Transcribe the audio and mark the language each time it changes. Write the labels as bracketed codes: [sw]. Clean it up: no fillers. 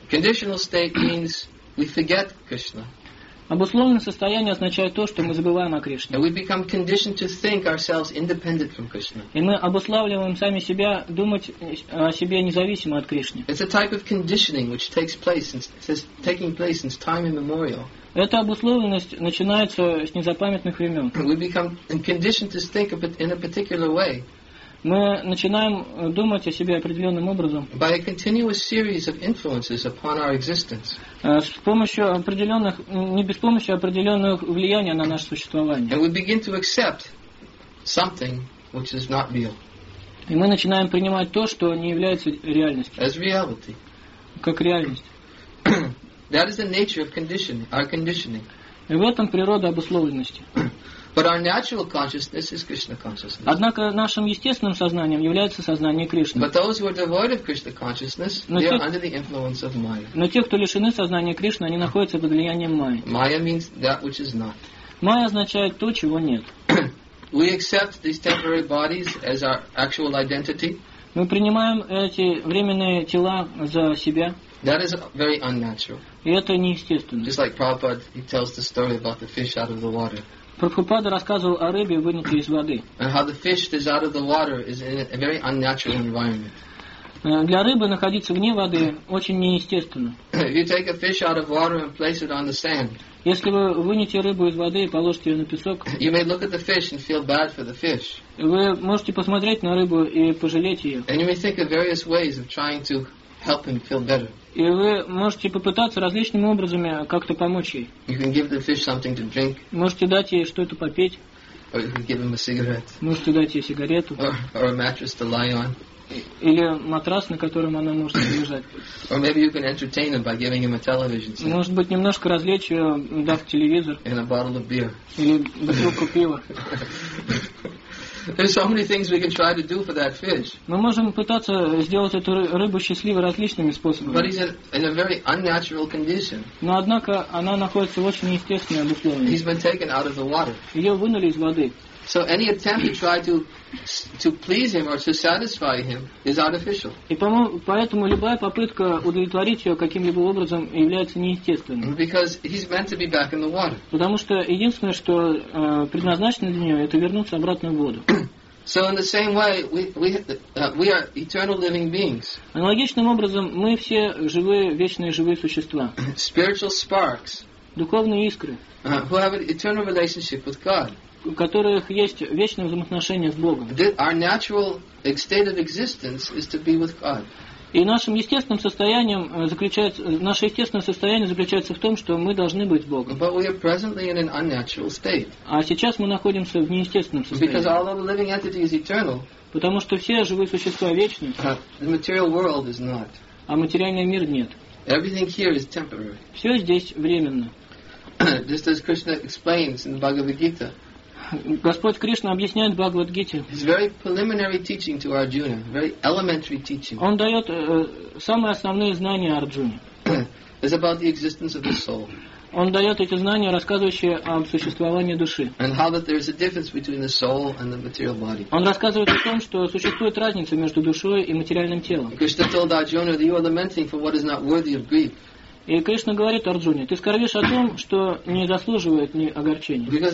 [en] Conditional state means we forget Krishna. [ru] Обусловленное состояние означает то, что мы забываем о Кришне. [en] And we become conditioned to think ourselves independent from Krishna. [ru] И мы обуславливаем сами себя думать о себе независимо от Кришны. [en] It's a type of conditioning which takes place since taking place since time immemorial. [ru] Эта обусловленность начинается с незапамятных времен. [en] We become conditioned to think in a particular way. [ru] Мы начинаем думать о себе определенным образом. [en] By a continuous series of influences upon our existence. [ru] С помощью определенных, не без помощи определенных влияний на наше существование. [en] And we begin to accept something which is not real. [ru] И мы начинаем принимать то, что не является реальностью. [en] As reality. [ru] Как реальность. [en] That is the nature of conditioning, our conditioning. [ru] И в этом природа обусловленности. [en] But our natural consciousness is Krishna consciousness. [ru] Однако нашим естественным сознанием является сознание Кришны. [en] But those who are devoid of Krishna consciousness, they are under the influence of Maya. [ru] Но те, кто лишены сознания Кришны, они находятся под влиянием Майи. [en] Maya means that which is not. [ru] Майя означает то, чего нет. [en] We accept these temporary bodies as our actual identity. [ru] Мы принимаем эти временные тела за себя. [en] That is very unnatural. [ru] И это неестественно. [en] Just like Prabhupada, he tells the story about the fish out of the water. [ru] Прабхупада рассказывал о рыбе, вынутой из воды. [en] And how the fish that is out of the water is in a very unnatural environment. [ru] Для рыбы находиться вне воды очень неестественно. [en] If you take a fish out of water and place it on the sand, [ru] если вы вынете рыбу из воды и положите ее на песок, [en] you may look at the fish and feel bad for the fish. [ru] Вы можете посмотреть на рыбу и пожалеть ее. [en] And you may think of various ways of trying to help him feel better. [ru] И вы можете попытаться различными образами как-то помочь ей. [en] You can give the fish something to drink. [ru] Можете дать ей что-то попить. [en] Or you can give him a cigarette. [ru] Можете дать ей сигарету. [en] Or a mattress to lie on. [ru] Или матрас, на котором она может лежать. [en] Or maybe you can entertain him by giving him a television set. [ru] Может быть, немножко развлечь ее, дав телевизор. [en] And a bottle of beer. [ru] Или бутылку пива. [en] There's so many things we can try to do for that fish. [ru] Мы можем пытаться сделать эту рыбу счастливой различными способами. [en] But he's in a very unnatural condition. [ru] Но однако она находится в очень неестественном условии. [en] He's been taken out of the water. [ru] Ее вынули из воды. [en] So any attempt to try to please him or to satisfy him is artificial. [ru] И поэтому любая попытка удовлетворить ее каким-либо образом является неестественной. [en] Because he's meant to be back in the water. [ru] Потому что единственное, что предназначено для нее, это вернуться обратно в воду. [en] So in the same way, we are eternal living beings. [ru] Аналогичным образом мы все живые, вечные живые существа. [en] Spiritual sparks. [ru] Духовные искры. [en] Who have an eternal relationship with God. [ru] У которых есть вечное взаимоотношение с Богом. [en] Our natural state of existence is to be with God. [ru] И нашим естественным состоянием заключается, наше естественное состояние заключается в том, что мы должны быть Богом. [en] But we are presently in an unnatural state. [ru] А сейчас мы находимся в неестественном состоянии. [en] Because although the living entity is eternal, [ru] потому что все живые существа вечны. [en] The material world is not. [ru] А материальный мир нет. [en] Everything here is temporary. [ru] Все здесь временно. [en] Just as Krishna explains in the Bhagavad Gita. [ru] Господь Кришна объясняет Бхагавад-гите. [en] It's very preliminary teaching to Arjuna, very elementary teaching. [ru] Он дает самые основные знания Арджуне. [en] It's about the existence of the soul. [ru] Он дает эти знания, рассказывающие о существовании души. [en] And how that there is a difference between the soul and the material body. [ru] Он рассказывает о том, что существует разница между душой и материальным телом. [en] Krishna told Arjuna that you are lamenting for what is not worthy of grief. [ru] И Кришна говорит Арджуне, ты скорбишь о том, что не заслуживает ни огорчения.